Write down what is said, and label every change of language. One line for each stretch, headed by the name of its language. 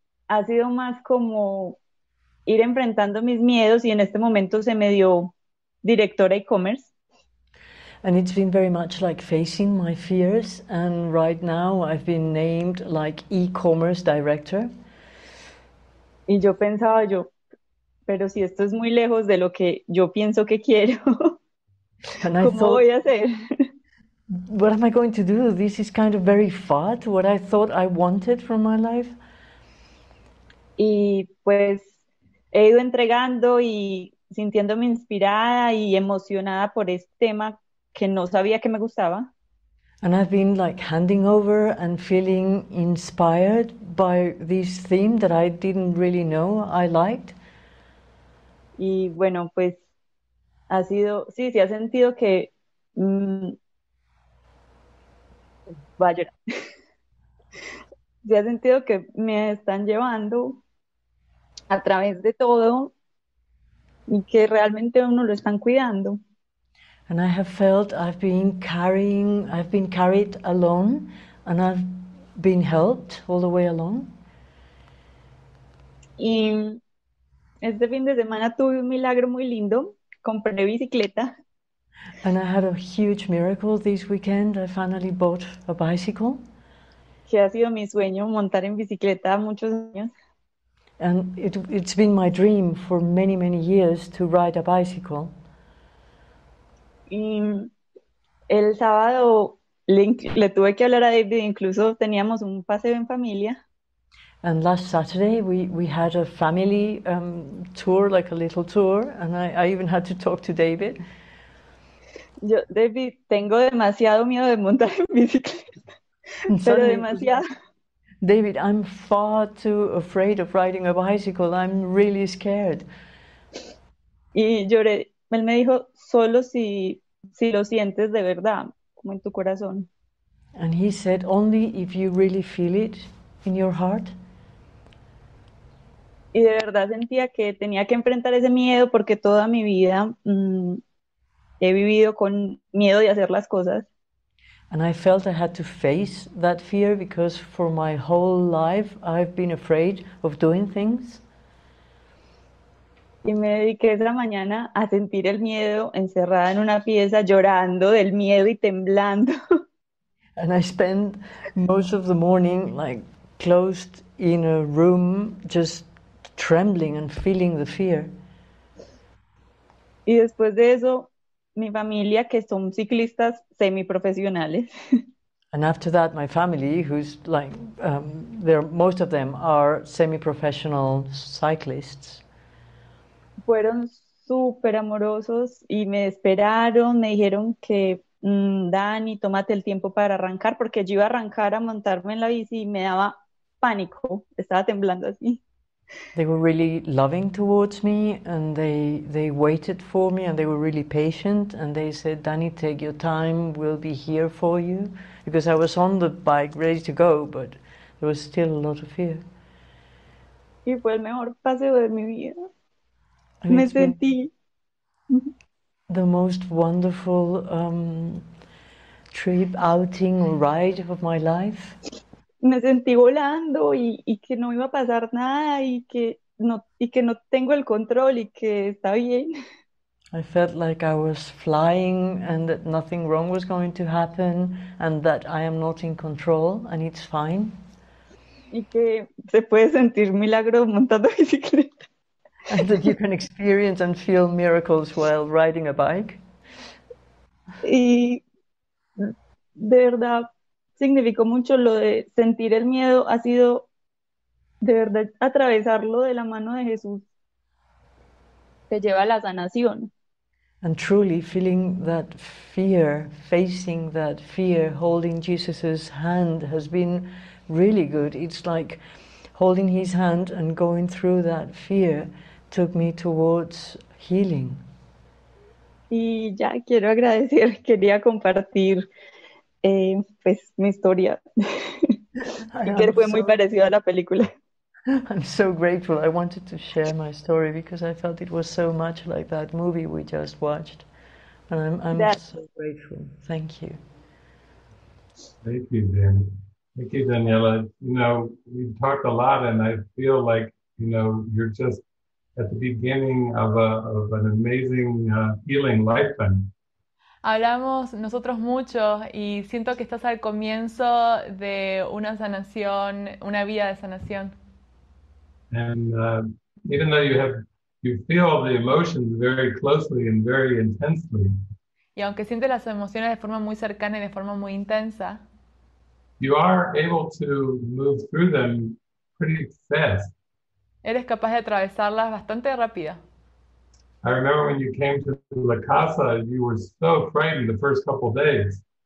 Spanish: ha sido más como ir enfrentando mis miedos y en este momento se me dio directora e-commerce.
English: And it's been very much like facing my fears, and right now I've been named like e-commerce director.
Spanish: Y yo pensaba yo, pero si esto es muy lejos de lo que yo pienso que quiero,
English: And I
Spanish: ¿cómo voy
English: thought,
Spanish: a hacer?
English: what am I going to do? This is kind of very far to what I thought I wanted from my life.
Spanish: Y pues he ido entregando y sintiéndome inspirada y emocionada por este tema que no sabía que me gustaba.
English: And I've been like handing over and feeling inspired by this theme that I didn't really know I liked.
Spanish: Y bueno, pues ha sido, sí, ha sentido que va a llorar. Sí, ha sentido que me están llevando a través de todo y que realmente uno lo están cuidando.
English: And I have felt I've been carried along, and I've been helped all the way along.
Spanish: Y este fin de semana tuve un milagro muy lindo, compré bicicleta.
English: And I had a huge miracle this weekend. I finally bought a bicycle.
Spanish: Que ha sido mi sueño montar en bicicleta muchos años.
English: And it's been my dream for many, many years to ride a bicycle.
Spanish: Y el sábado le tuve que hablar a David, incluso teníamos un paseo en familia.
English: And last Saturday we had a family tour, like a little tour, and I even had to talk to David.
Spanish: Yo, David, tengo demasiado miedo de montar en bicicleta,
English: And
Spanish: pero
English: suddenly it was
Spanish: demasiado.
English: like, David, I'm far too afraid of riding a bicycle. I'm really scared.
Spanish: Y lloré. Él me dijo, solo si lo sientes de verdad, como en tu corazón.
English: And he said, only if you really feel it in your heart.
Spanish: Y de verdad sentía que tenía que enfrentar ese miedo porque toda mi vida he vivido con miedo de hacer las cosas.
English: And I felt I had to face that fear because for my whole life I've been afraid of doing things.
Spanish: Y me dediqué esa mañana a sentir el miedo, encerrada en una pieza, llorando del miedo y temblando.
English: And I spent most of the morning like closed in a room, just trembling and feeling the fear.
Spanish: Y después de eso, mi familia, que son ciclistas semiprofesionales.
English: And after that, my family, who's like, they're most of them are semi-professional cyclists.
Spanish: Fueron súper amorosos y me esperaron, me dijeron que Dani, tómate el tiempo para arrancar, porque yo iba a arrancar a montarme en la bici y me daba pánico, estaba temblando así.
English: They were really loving towards me and they waited for me and they were really patient and they said, Danny, take your time, we'll be here for you. Because I was on the bike ready to go, but there was still a lot of fear.
Spanish: Y fue el mejor paseo de mi vida.
English: And
Spanish: Me
English: it's been
Spanish: sentí.
English: the most wonderful trip, outing, or ride of my life.
Spanish: Me sentí volando y que no iba a pasar nada y que no tengo el control y que está bien.
English: I felt like I was flying and that nothing wrong was going to happen and that I am not in control and it's fine.
Spanish: Y que se puede sentir milagro montando bicicleta.
English: And that you can experience and feel miracles while riding a bike.
Spanish: Y de verdad significó mucho lo de sentir el miedo, ha sido de verdad atravesarlo de la mano de Jesús, te lleva a la sanación.
English: And truly feeling that fear, facing that fear, holding Jesus's hand has been really good. It's like holding his hand and going through that fear took me towards healing.
Spanish: Y ya quiero agradecer, quería compartir pues mi historia y que fue muy parecido a la película.
English: I'm so grateful. I wanted to share my story because I felt it was so much like that movie we just watched. And I'm
Spanish: Gracias.
English: so grateful. Thank you. Thank you, Dan. Thank you, Daniela. You know, we've talked a lot, and I feel like, you know, you're just at the beginning of an amazing healing lifetime.
Spanish: Hablamos nosotros mucho y siento que estás al comienzo de una sanación, una vía de sanación.
English: And even though you feel the emotions very closely and very intensely,
Spanish: Y aunque sientes las emociones de forma muy cercana y de forma muy intensa,
English: you are able to move through them pretty fast.
Spanish: eres capaz de atravesarlas bastante rápida.
English: I remember when you came to La Casa, you were so frightened the first couple of days.